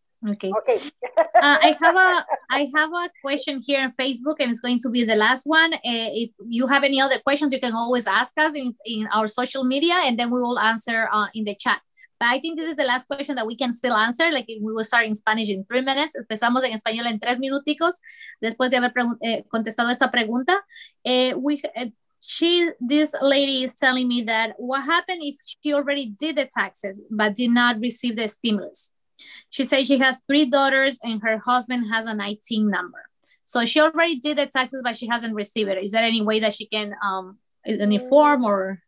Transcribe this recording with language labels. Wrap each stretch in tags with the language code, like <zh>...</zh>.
<en>Okay. Okay. I have a question here on Facebook, and it's going to be the last one. If you have any other questions, you can always ask us in our social media, and then we will answer in the chat. But I think this is the last question that we can still answer. Like, we will start in Spanish in 3 minutes.</en> <es>Empezamos en español en tres minuticos después de haber contestado esta pregunta.</es> <en>This lady is telling me that what happened if she already did the taxes but did not receive the stimulus. She says she has 3 daughters and her husband has an ITIN number. So she already did the taxes, but she hasn't received it. Is there any way that she can, any form or?</en>